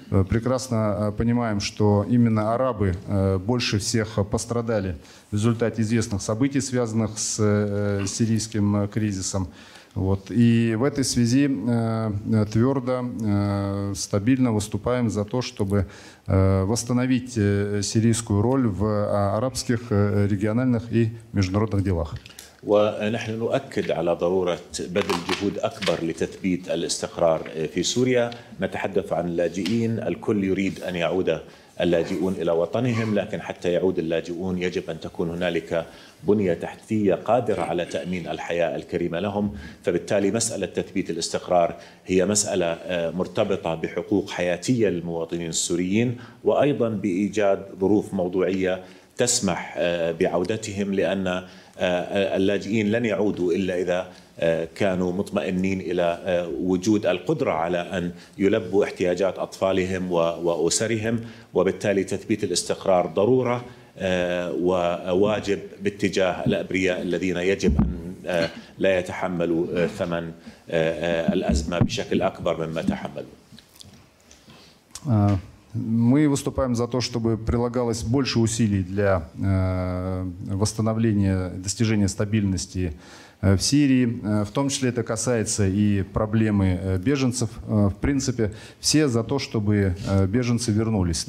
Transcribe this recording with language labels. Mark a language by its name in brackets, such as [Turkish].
[Russian] Прекрасно понимаем, что именно арабы больше всех пострадали в результате известных событий, связанных с сирийским кризисом. Вот. И в этой связи твердо, стабильно выступаем за то, чтобы восстановить сирийскую роль в арабских региональных и международных делах. [Arabic] ونحن نؤكد على ضرورة بذل جهود أكبر لتثبيت الاستقرار في سوريا. نتحدث عن اللاجئين، الكل يريد أن يعود اللاجئون إلى وطنهم، لكن حتى يعود اللاجئون يجب أن تكون هنالك بنية تحتية قادرة على تأمين الحياة الكريمة لهم. فبالتالي مسألة تثبيت الاستقرار هي مسألة مرتبطة بحقوق حياتية للمواطنين السوريين، وأيضا بإيجاد ظروف موضوعية تسمح بعودتهم، لأن اللاجئين لن يعودوا إلا إذا كانوا مطمئنين إلى وجود القدرة على أن يلبوا احتياجات أطفالهم وأسرهم، وبالتالي تثبيت الاستقرار ضرورة وواجب باتجاه الأبرياء الذين يجب أن لا يتحملوا ثمن الأزمة بشكل أكبر مما تحملوا. [Russian] Мы выступаем за то, чтобы прилагалось больше усилий для восстановления, достижения стабильности в Сирии. В том числе это касается и проблемы беженцев. В принципе, все за то, чтобы беженцы вернулись.